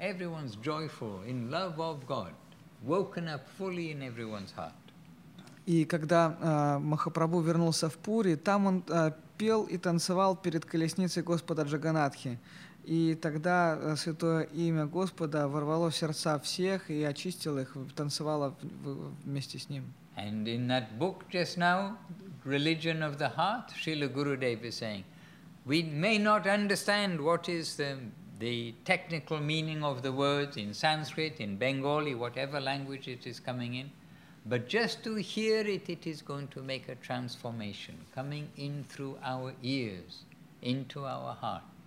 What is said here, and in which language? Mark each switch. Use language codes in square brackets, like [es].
[en] Everyone's joyful, in love of God, woken up fully in everyone's heart. [ru] И когда Махапрабху вернулся в Пури, там он пел и танцевал перед колесницей Господа Джаганатхи. И тогда святое имя Господа ворвало в сердца всех и очистило их, танцевало вместе с Ним. [en] And in that book just now, Religion of the Heart, Srila Gurudev is saying, we may not understand what is the technical meaning of the words in Sanskrit, in Bengali, whatever language it is coming in, but just to hear it, it is going to make a transformation coming in through our ears, into our heart.